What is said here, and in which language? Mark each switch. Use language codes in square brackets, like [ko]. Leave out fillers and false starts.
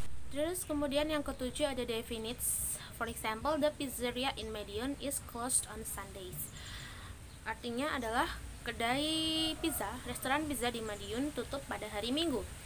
[id] Terus kemudian yang ketujuh ada definites. [en] For example, the pizzeria in Medion is closed on Sundays. [id] Artinya adalah kedai pizza, restoran pizza di Medion tutup pada hari Minggu.